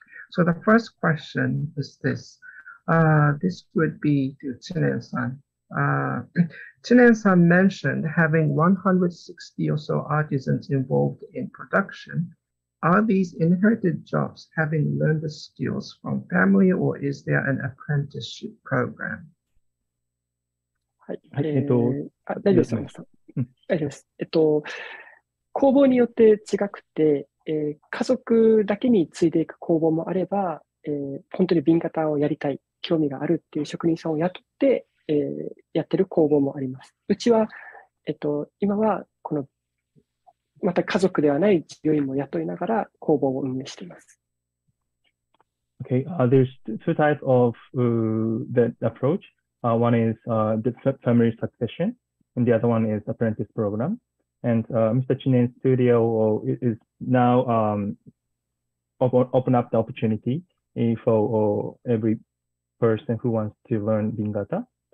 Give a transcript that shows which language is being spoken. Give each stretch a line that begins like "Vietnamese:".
English: So the first question is this. This would be to Chinen-san. Chinen-san mentioned having 160 or so artisans involved in production. Are these inherited jobs having learned the skills from family or is there an apprenticeship program?
Japanese: はい、大丈夫です。大丈夫です。工房によって違くて、家族だけについていく工房もあれば、本当にBingataをやりたい、興味があるっていう職人さんを雇ってやってる工房もあります。うちは、今はこの、また家族ではない従業員も雇いながら工房を運営しています。
English: Okay, there's two types of that approach. One is the family succession, and the other one is apprentice program. And Mr. Chinen's studio is now open up the opportunity for every person who wants to learn Bingata.